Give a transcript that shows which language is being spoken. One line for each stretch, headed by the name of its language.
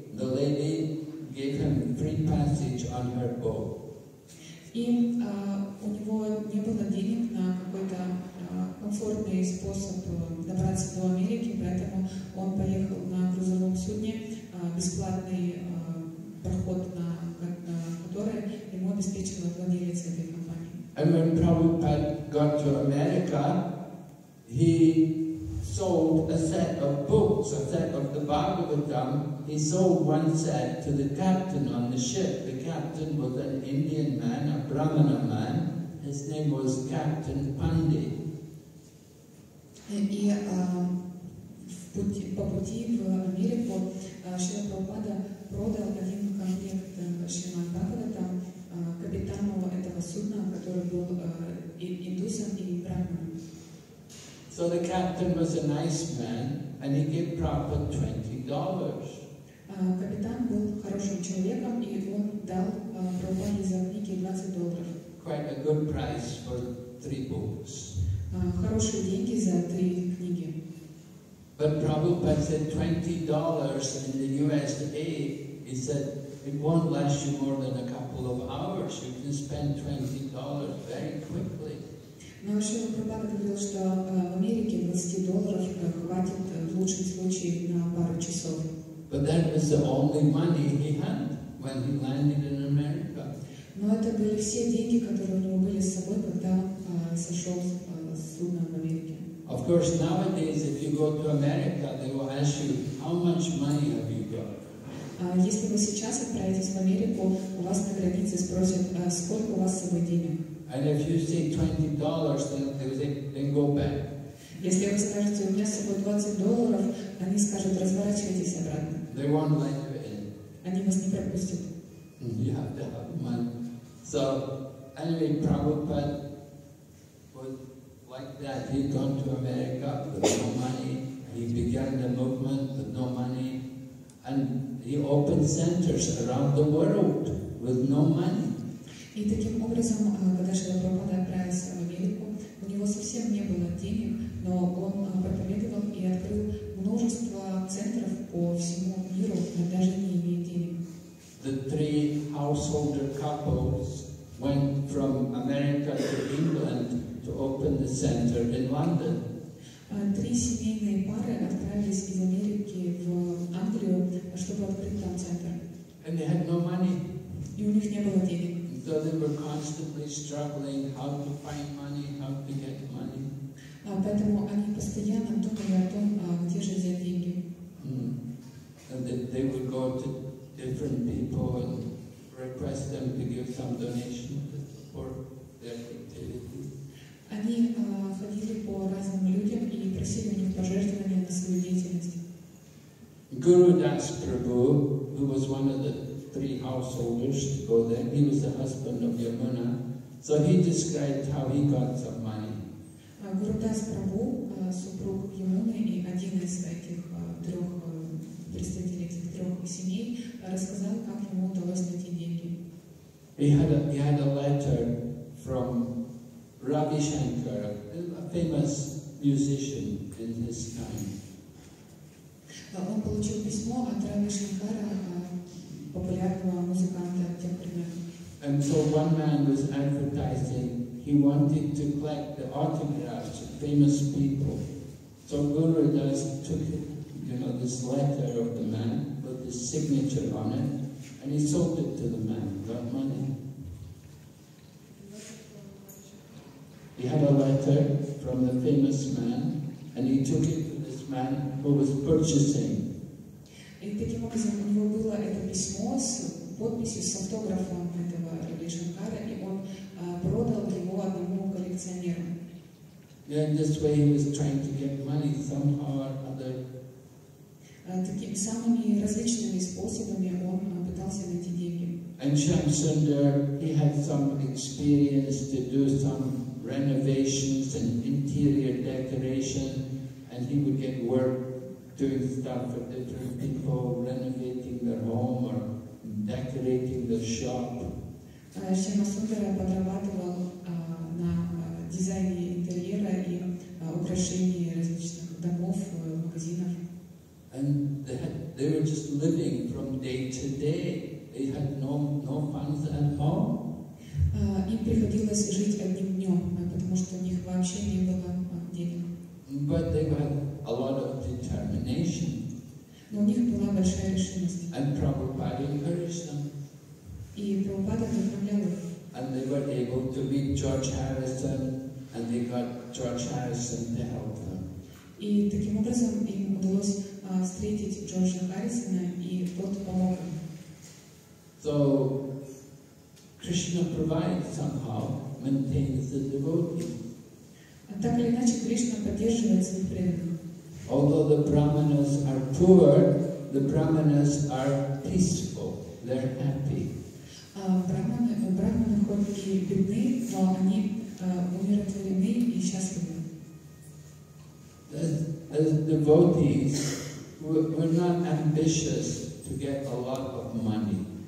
English: The lady gave him free passage on her boat.
Russian: И у него не было денег на какой-то комфортный способ добраться до Америки, поэтому он поехал на грузовом судне, бесплатный проход на который ему обеспечил владелец этой компании.
English: And when Prabhupada got to America, he sold a set of books, a set of the Bhagavatam. He sold one set to the captain on the ship. The captain was an Indian man, a Brahmana man. His name was Captain Pandey.
Russian: И по пути в Америку Шрила Прабхупада продал один комплект Шримад Бхагаватам капитану этого судна, который был индусом и брахманом.
English: So the captain was a nice man, and he gave Prabhupada $20.
Russian: Капитан был хорошим человеком, и он дал Прабхупаде за книги $20.
English: Quite a good price for 3 books.
Russian: Хорошие деньги за 3 книги.
English: But Prabhupada said $20 in the USA. He said it won't last you more than a couple of hours. You can spend $20 very quickly.
Russian: Но Шрила Прабхупада говорил, что в Америке $20 хватит в лучшем случае на пару часов.
English: But that was the only money he had when he landed in America.
Russian: Но это были все деньги, которые у него были с собой, когда сошел с судна в Америке.
English: Of course, nowadays, if you go to America, they will ask you, how much money have you got?
Russian: Если вы сейчас отправитесь в Америку, у вас на границе спросят, сколько у вас с собой денег?
English: And if you say $20, then go back.
Russian: Если вы скажете, у меня с собой $20, они скажут, разворачивайтесь обратно.
English: They won't let you in.
Russian: Они вас не пропустят.
English: You have to have money. So, anyway, Prabhupada was like that. He'd gone to America with no money. He began the movement with no money. And he opened centers around the world with no money.
Russian: И таким образом, когда Шрила Прабхупада отправился в Америку, у него совсем не было денег, но он проповедовал и открыл множество центров по всему миру, но даже не имея денег.
English: The 3 householder couples went from America to England to open the center in London.
Russian: 3 семейные пары отправились из Америки в Англию, чтобы открыть там центр.
English: And they had no money.
Russian: И у них не было денег.
English: So they were constantly struggling how to find money, how to get money.
Russian: Поэтому они постоянно думали о том, где же взять деньги.
English: And they would go to different people and request them to give some donation to support their activities.
Russian: Они ходили по разным людям и просили у них пожертвования на свою деятельность.
English: Guru Das Prabhu, who was one of the 3 householders to go there. He was the husband of Yamuna. So he described how he got some money.
Russian: Guru Das Prabhu, супруг Ямуны и один из этих трех представителей этих трех семей, рассказал, как ему удалось найти деньги.
English: He had a letter from Ravi Shankar, a famous musician in his time.
Russian: Он получил письмо от Рави Шанкара, популярного музыканта тех времен.
English: And so one man was advertising, he wanted to collect the autographs of famous people. So Guru Das took this letter of the man, put his signature on it, and he sold it to the man, got money. He had a letter from the famous man, and he took it to this man who was purchasing.
Russian: И таким образом у него было это письмо с подписью, с автографом этого Рабиджанкара, и он продал его одному коллекционеру.
English: Then this way he was trying to get money somehow or other.
Russian: Такими самыми различными способами он пытался найти деньги.
English: And Shamsundar, he had some experience to do some renovations and interior decoration, and he would get work doing stuff for different people, renovating their home or decorating their shop.
Russian: Shamsundar подрабатывал на дизайне интерьера и украшении различных домов, магазинов.
English: And they were just living from day to day. They had no funds at all.
Russian: Им приходилось жить одним днем, потому что у них вообще не было денег.
English: But they had a lot of determination.
Russian: Но у них была большая решимость.
English: And Prabhupada encouraged them.
Russian: И Прабхупада направлял их.
English: And they were able to meet George Harrison, and they got George Harrison to help them.
Russian: И таким образом им удалось встретить Джорджа Харрисона, и тот помог им.
English: So Krishna provides somehow, maintains the devotees.
Russian: Так или иначе, Кришна поддерживает своих преданных.
English: Although the brahmanas are poor, the brahmanas are peaceful. They're happy.
Russian: Брахманы хоть и бедны, но они умиротворены и счастливы.
English: As devotees, we're not ambitious to get a lot of money.